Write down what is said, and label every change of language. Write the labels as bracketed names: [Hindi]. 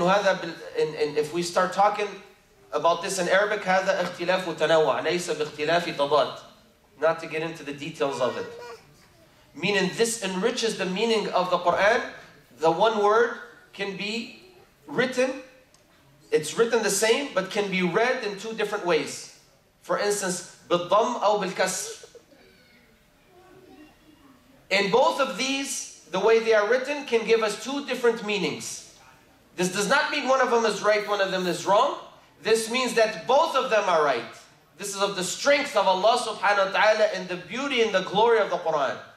[English] And if we start talking about this in Arabic, [Arabic] هذا اختلاف وتنوع ليس باختلاف تضاد. [English] Not to get into the details of it. Meaning this enriches the meaning of the Quran. The one word can be written, it's written the same, but can be read in two different ways. For instance, [Arabic] بالضم أو بالكسر. [English] In both of these, the way they are written can give us two different meanings. This does not mean one of them is right, one of them is wrong. This means that both of them are right. This is of the strength of Allah subhanahu wa ta'ala and the beauty and the glory of the Quran.